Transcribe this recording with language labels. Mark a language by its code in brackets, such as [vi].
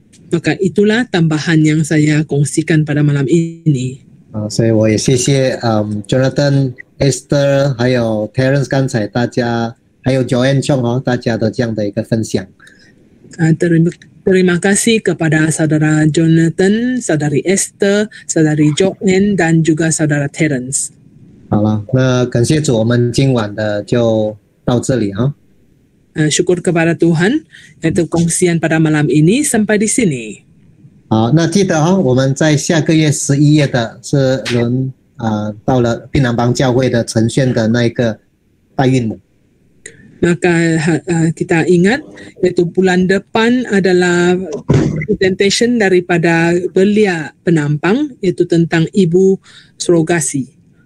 [ms] Maka itulah tambahan yang saya kongsikan pada malam ini. [zh] Jonathan, Esther, 还有 Terence 刚才大家, 还有 Joanne Chong, 大家的这样的一个分享。 [ms] Terima kasih kepada saudara Jonathan, saudari Esther, saudari Joanne, dan juga saudara Terence. [zh] 好了，那感谢主， 我们今晚的就到这里。 [ms] Syukur kepada Tuhan, yaitu kongsian pada malam ini sampai di sini. [zh] 好，那记得哦，我们在下个月十一月的是轮到了槟榔帮教会的陈炫的那一个代孕母。 [ms] Maka kita ingat, yaitu bulan depan adalah presentation daripada belia penampang, yaitu tentang ibu surrogasi.